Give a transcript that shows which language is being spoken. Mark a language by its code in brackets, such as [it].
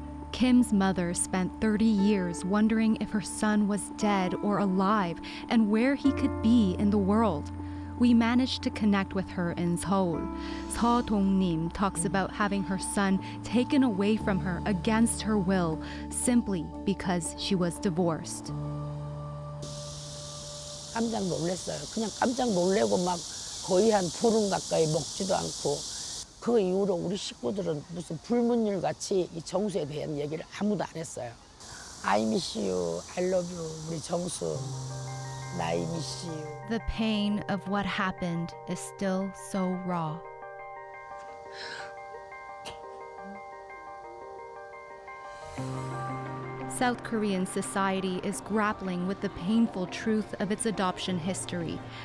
[en] Kim's mother spent 30 years wondering if her son was dead or alive and where he could be in the world. We managed to connect with her in Seoul. Seo Dong-nim talks about having her son taken away from her against her will simply because she was divorced. [ko] 깜짝 놀랐어요. 그냥 깜짝 놀래고 막 거의 한 불은 가까이 먹지도 않고 그 이후로 우리 식구들은 무슨 불문율 같이 이 정수에 대한 얘기를 아무도 안 했어요. [en] I miss you, I love you, [ko] 우리 정수, 나 [en] I miss you. The pain of what happened is still so raw. 사우스 코리안 society is grappling with the painful truth of its adoption history.